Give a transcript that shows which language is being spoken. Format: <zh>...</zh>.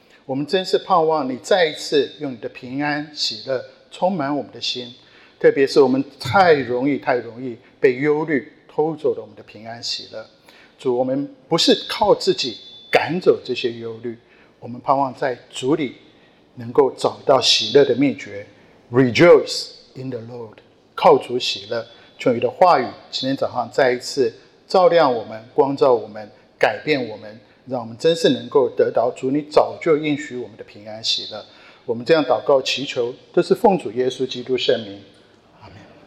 <zh>我们真是盼望你再一次用你的平安喜乐充满我们的心，特别是我们太容易太容易被忧虑偷走了我们的平安喜乐。主，我们不是靠自己赶走这些忧虑，我们盼望在主里能够找到喜乐的秘诀。</zh> <en>Rejoice in the Lord， 靠主喜乐。</en> <zh>求你的话语今天早上再一次照亮我们，光照我们，改变我们，让我们真是能够得到主你早就应许我们的平安喜乐。我们这样祷告祈求都是奉主耶稣基督圣名，阿们。</zh>